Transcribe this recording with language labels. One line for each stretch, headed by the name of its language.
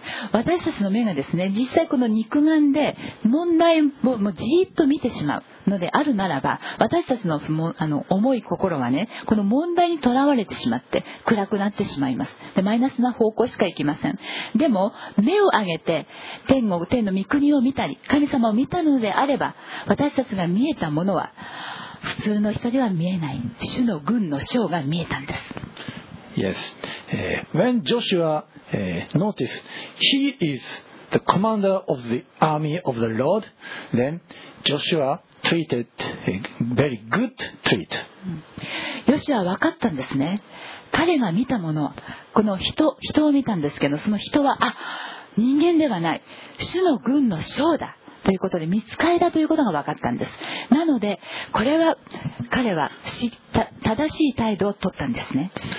Japanese: 私たちの目がですね、実際この肉眼で問題をもうじっと見てしまうのであるならば、私たち の重い心はね、この問題にとらわれてしまって暗くなってしまいます。でマイナスな方向しか行きません。でも目を上げて天の御国を見たり神様を見たのであれば、私たちが見えたものは普通の人では見えない主の軍の将が見えたんです。
English: Yes. When Joshua noticed he is the commander of the army of the Lord, then Joshua treated a very good treat.
Japanese: Joshua わかったんですね。彼が見たもの、この人を見たんですけど、その人は、あ、人間ではない、主の軍の将だということで、見つかりだということが分かったんです。なのでこれは彼は正しい態度を取ったんですね。